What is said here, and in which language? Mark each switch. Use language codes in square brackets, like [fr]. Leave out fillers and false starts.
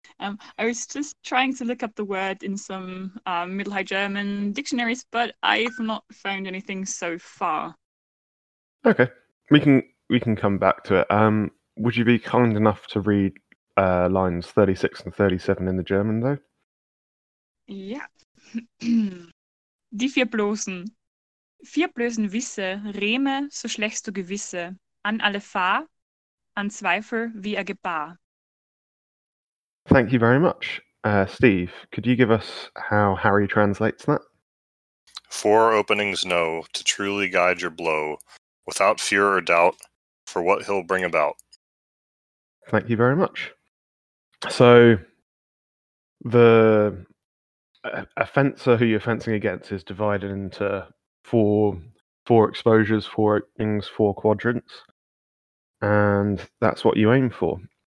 [en] I was just trying to look up the word in some Middle High German dictionaries, but I've not found anything so far. Okay, we can come back to it. Would you be kind enough to read lines 36 and 37 in the German, though? Yeah. [de] Die vier Blosen. Vier Blosen wisse, Reme, so schlechst du gewisse, an alle Fahr, an Zweifel wie er gebar. [en] Thank you very much. Steve, could you give us how Harry translates that? Four openings know to truly guide your blow, without fear or doubt, for what he'll bring about. Thank you very much. So, the offencer who you're fencing against is divided into four exposures, four openings, four quadrants, and that's what you aim for.